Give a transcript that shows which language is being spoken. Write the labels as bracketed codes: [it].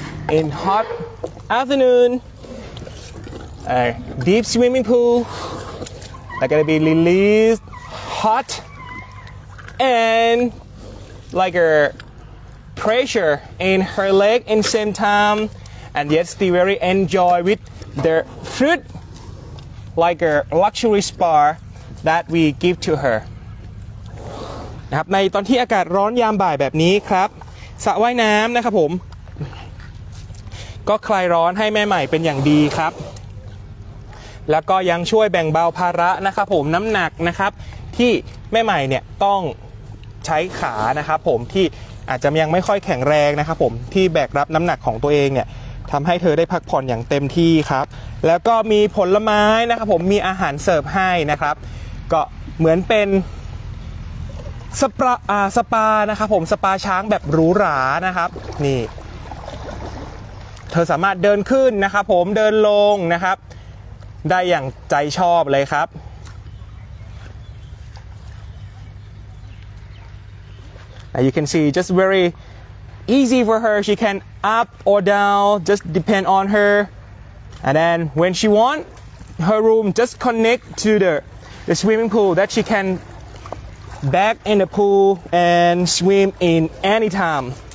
[en] In hot afternoon, a deep swimming pool that gonna be released hot andLike a pressure in her leg in same time, and yet still very enjoy with the fruit, like a luxury spa that we give to her. [th] นะครับในตอนที่อากาศร้อนยามบ่ายแบบนี้ครับสระว่ายน้ำนะครับผมก็คลายร้อนให้แม่ใหม่เป็นอย่างดีครับแล้วก็ยังช่วยแบ่งเบาภาระนะครับผมน้ำหนักนะครับที่แม่ใหม่เนี่ยต้อง ใช้ขานะครับผมที่อาจจะยังไม่ค่อยแข็งแรงนะครับผมที่แบกรับน้ำหนักของตัวเองเนี่ยทำให้เธอได้พักผ่อนอย่างเต็มที่ครับแล้วก็มีผลไม้นะครับผมมีอาหารเสิร์ฟให้นะครับก็เหมือนเป็น สปานะครับผมสปาช้างแบบหรูหรานะครับนี่เธอสามารถเดินขึ้นนะครับผมเดินลงนะครับได้อย่างใจชอบเลยครับ [en] You can see just very easy for her. She can up or down, just depend on her. And then when she want, her room just connect to the swimming pool that she can back in the pool and swim in any time.